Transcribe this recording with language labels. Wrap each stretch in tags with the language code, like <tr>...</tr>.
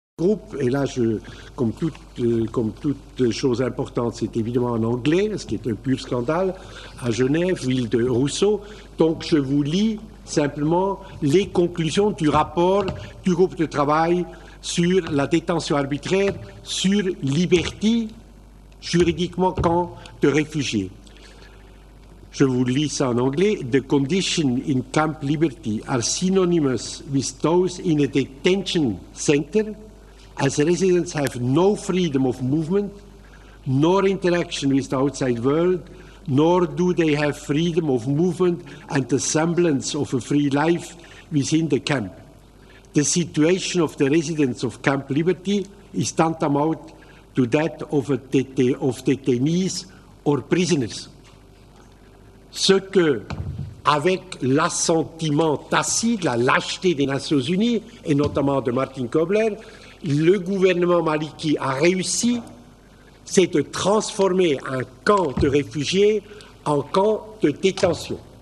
<fr>Groupe, et là, comme toute chose importante, c'est évidemment en anglais, ce qui est un pur scandale, à Genève, ville de Rousseau. Donc, je vous lis simplement les conclusions du rapport du groupe de travail sur la détention arbitraire, sur Liberty, juridiquement camp de réfugiés. Je vous lis ça en anglais.</fr> <en>The conditions in Camp Liberty are synonymous with those in a detention center, as residents have no freedom of movement, nor interaction with the outside world, nor do they have freedom of movement and the semblance of a free life within the camp. The situation of the residents of Camp Liberty is tantamount to that of detainees or prisoners.</en> <fr>Ce que, avec l'assentiment tacite, la lâcheté des Nations Unies, et notamment de Martin Kobler, le gouvernement maliki a réussi, c'est de transformer un camp de réfugiés en camp de détention.</fr>